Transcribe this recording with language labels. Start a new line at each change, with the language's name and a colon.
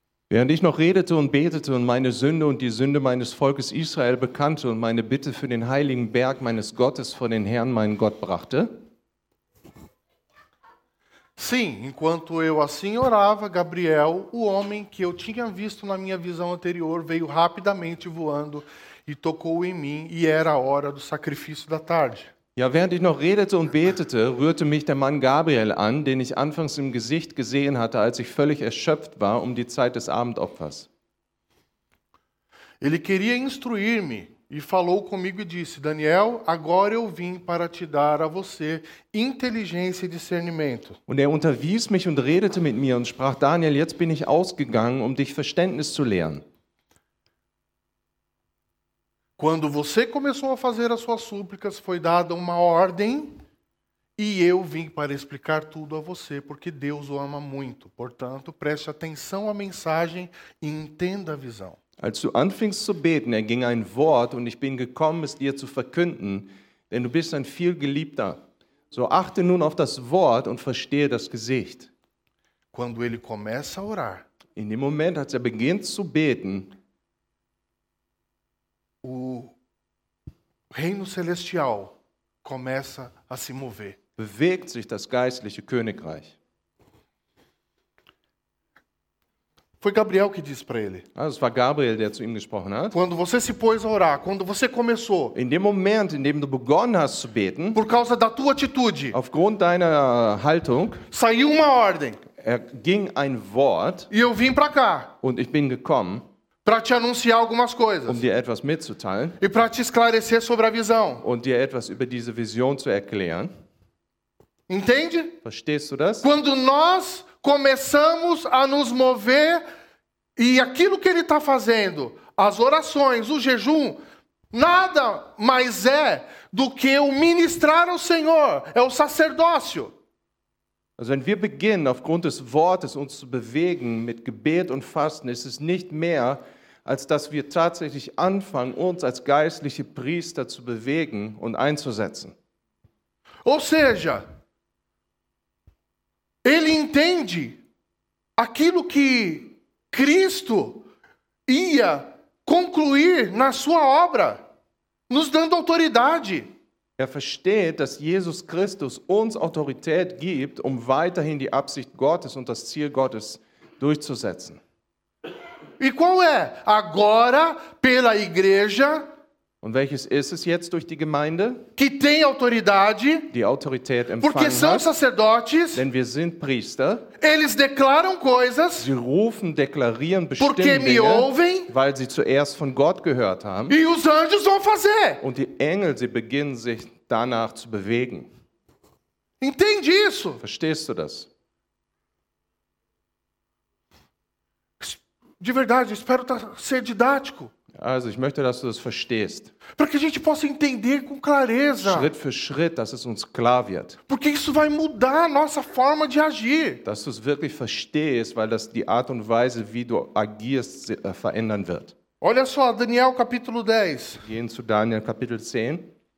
German: Während ich noch redete und betete und meine Sünde und die Sünde meines Volkes Israel bekannte und meine Bitte für den heiligen Berg meines Gottes vor den Herrn, meinen Gott, brachte.
Portuguese: Sim, enquanto eu assim orava, Gabriel, o homem que eu tinha visto na minha visão anterior, veio rapidamente voando e tocou em mim, e era a hora do sacrifício da tarde.
German: Ja, während ich noch redete und betete, rührte mich der Mann Gabriel an, den ich anfangs im Gesicht gesehen hatte, als ich völlig erschöpft war die Zeit des Abendopfers.
Portuguese: Ele queria instruir-me e falou comigo e disse: Daniel, agora eu vim para te dar a você inteligência e discernimento.
German: Und unterwies mich und redete mit mir und sprach: Daniel, jetzt bin ich ausgegangen, dich Verständnis zu lehren.
Portuguese: Quando você começou a fazer as suas súplicas, foi dada uma ordem e eu vim para explicar tudo a você, porque Deus o ama muito. Portanto, preste atenção à mensagem e entenda a visão.
German: Als du anfingst zu beten, erging ein Wort und ich bin gekommen, es dir zu verkünden, denn du bist ein viel Geliebter. So achte nun auf das Wort und verstehe das Gesicht.
Portuguese: Quando ele começa a orar,
German: in dem Moment, als beginnt zu beten,
Portuguese: o reino celestial começa a se mover.
German: Bewegt sich das geistliche Königreich.
Portuguese: Foi Gabriel que disse para ele.
German: Ah, es war Gabriel, der zu ihm gesprochen hat.
Portuguese: Quando você se pôs a orar, quando você começou.
German: In dem Moment, in dem du begonnen hast zu beten.
Portuguese: Por causa da tua atitude.
German: Aufgrund deiner Haltung.
Portuguese: Saiu uma ordem.
German: Ging ein Wort.
Portuguese: E eu vim para cá.
German: Und ich bin gekommen.
Portuguese: Para te anunciar algumas coisas.
German: Dir etwas mitzuteilen.
Portuguese: E para te esclarecer sobre a visão.
German: Und dir etwas über diese Vision zu erklären.
Portuguese: Entende?
German: Verstehst du das?
Portuguese: Quando nós começamos a nos mover e aquilo que ele está fazendo, as orações, o jejum, nada mais é do que o ministrar ao Senhor, é o sacerdócio.
German: Also, wenn wir beginnen, aufgrund des Wortes uns zu bewegen mit Gebet und Fasten, ist es nicht mehr, als dass wir tatsächlich anfangen, uns als geistliche Priester zu bewegen und einzusetzen.
Portuguese: Ou seja, ele entende aquilo que Cristo ia concluir na sua obra, nos dando autoridade.
German: Versteht, dass Jesus Christus uns Autorität gibt, weiterhin die Absicht Gottes und das Ziel Gottes durchzusetzen.
Portuguese: E qual é? Agora, pela igreja.
German: Und welches ist es jetzt durch die Gemeinde?
Portuguese: Que tem autoridade,
German: die Autorität empfangen
Portuguese: porque são
German: hat,
Portuguese: sacerdotes,
German: denn wir sind Priester.
Portuguese: Eles declaram coisas,
German: sie rufen, deklarieren bestimmte Dinge,
Portuguese: ouvem,
German: weil sie zuerst von Gott gehört haben.
Portuguese: E os anjos vão fazer.
German: Und die Engel, sie beginnen sich danach zu bewegen.
Portuguese: Entende isso?
German: Verstehst du das?
Portuguese: De verdade, espero ser didático.
German: Also, ich möchte, dass du das verstehst.
Portuguese: Para que a gente possa entender com clareza.
German: Schritt für Schritt, dass es uns klar wird.
Portuguese: Porque isso vai mudar a nossa forma de agir.
German: Dass du es wirklich verstehst, weil das die Art und Weise, wie du agierst, verändern wird.
Portuguese: Olha só, Daniel capítulo 10.
German: Gehen zu Daniel Kapitel 10.